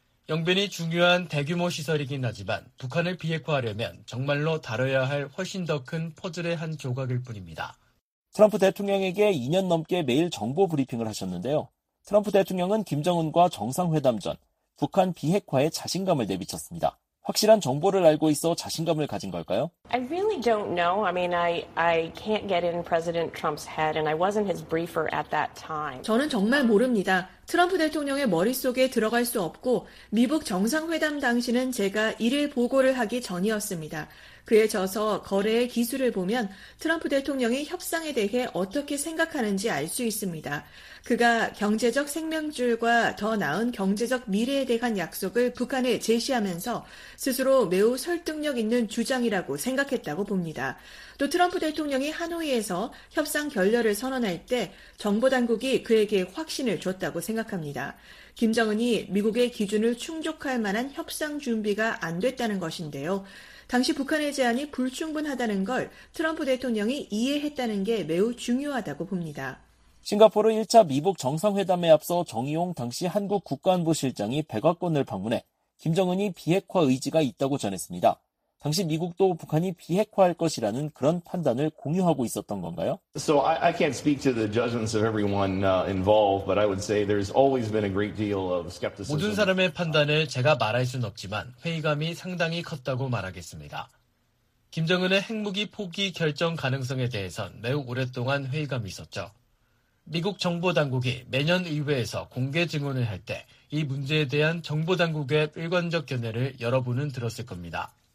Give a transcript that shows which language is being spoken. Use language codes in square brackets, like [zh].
[ko] 영변이 중요한 대규모 시설이긴 하지만 북한을 비핵화하려면 정말로 다뤄야 할 훨씬 더 큰 퍼즐의 한 조각일 뿐입니다. 트럼프 대통령에게 2년 넘게 매일 정보 브리핑을 하셨는데요. 트럼프 대통령은 김정은과 정상회담 전 북한 비핵화에 자신감을 내비쳤습니다. 확실한 정보를 알고 있어 자신감을 가진 걸까요? [en] I really don't know. I mean, I can't get in President Trump's head and I wasn't his briefer at that time. [ko] 저는 정말 모릅니다. 트럼프 대통령의 머릿속에 들어갈 수 없고 미국 정상회담 당시는 제가 이를 보고를 하기 전이었습니다. 그의 저서 거래의 기술을 보면 트럼프 대통령이 협상에 대해 어떻게 생각하는지 알 수 있습니다. 그가 경제적 생명줄과 더 나은 경제적 미래에 대한 약속을 북한에 제시하면서 스스로 매우 설득력 있는 주장이라고 생각했다고 봅니다. 또 트럼프 대통령이 하노이에서 협상 결렬을 선언할 때 정보당국이 그에게 확신을 줬다고 생각합니다. 김정은이 미국의 기준을 충족할 만한 협상 준비가 안 됐다는 것인데요. 당시 북한의 제안이 불충분하다는 걸 트럼프 대통령이 이해했다는 게 매우 중요하다고 봅니다. 싱가포르 1차 미북 정상회담에 앞서 정의용 당시 한국 국가안보실장이 백악관을 방문해 김정은이 비핵화 의지가 있다고 전했습니다. 당시 미국도 북한이 비핵화할 것이라는 그런 판단을 공유하고 있었던 건가요? [en] So I can't speak to the judgments of everyone involved, but I would say there's always been a great deal of skepticism. [ko] 모든 사람의 판단을 제가 말할 순 없지만 회의감이 상당히 컸다고 말하겠습니다. 김정은의 핵무기 포기 결정 가능성에 대해선 매우 오랫동안 회의감이 있었죠. 미국 정보당국이 매년 의회에서 공개 증언을 할 때 이 문제에 대한 정보당국의 일관적 견해를 여러분은 들었을 겁니다.